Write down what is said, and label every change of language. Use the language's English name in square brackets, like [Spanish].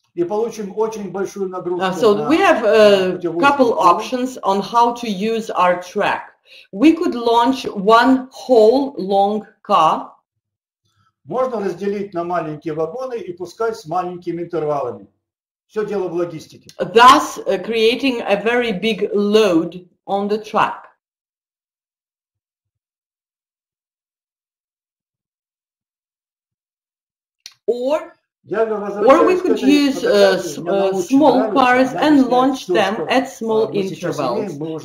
[English] So we have a couple options on how to use our track. We could launch one whole long car. [Russian] Можно разделить на маленькие вагоны и пускать с маленькими интервалами. Все дело в логистике. [English] Thus creating a very big load on the track. Or we could use small cars and launch them at small intervals.